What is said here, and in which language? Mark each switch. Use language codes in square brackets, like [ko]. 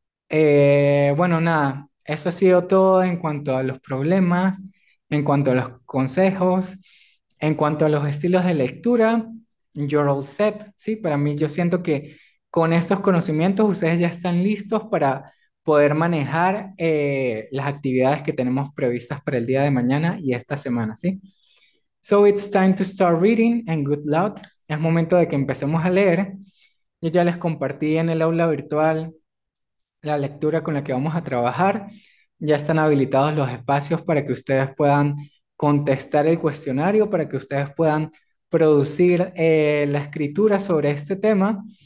[es] Bueno, nada, eso ha sido todo en cuanto a los problemas, en cuanto a los consejos, en cuanto a los estilos de lectura. [en] You're all set, [es] ¿sí? Para mí, yo siento que con estos conocimientos ustedes ya están listos para poder manejar las actividades que tenemos previstas para el día de mañana y esta semana, ¿sí? [en] So it's time to start reading and good luck. [es] Es momento de que empecemos a leer. Yo ya les compartí en el aula virtual la lectura con la que vamos a trabajar. Ya están habilitados los espacios para que ustedes puedan contestar el cuestionario, para que ustedes puedan producir la escritura sobre este tema.